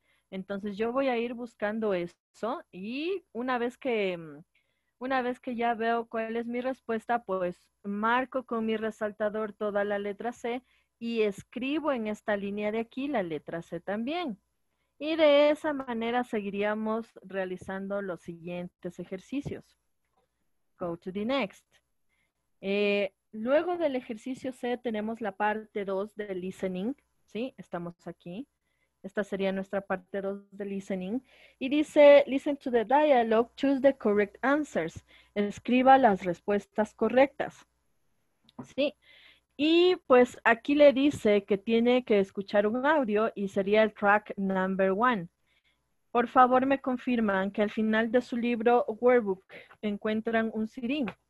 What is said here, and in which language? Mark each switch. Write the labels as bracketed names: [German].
[Spanish] Entonces yo voy a ir buscando eso y una vez que ya veo cuál es mi respuesta, pues marco con mi resaltador toda la letra C y escribo en esta línea de aquí la letra C también. Y de esa manera seguiríamos realizando los siguientes ejercicios. [English] Go to the next. [Spanish] Luego del ejercicio C tenemos la parte 2 de listening, ¿sí? Estamos aquí. Esta sería nuestra parte 2 de listening. Y dice, [English] listen to the dialogue, choose the correct answers. [Spanish] Escriba las respuestas correctas. ¿Sí? Y pues aquí le dice que tiene que escuchar un audio y sería el track number 1. Por favor, me confirman que al final de su libro workbook encuentran un CD.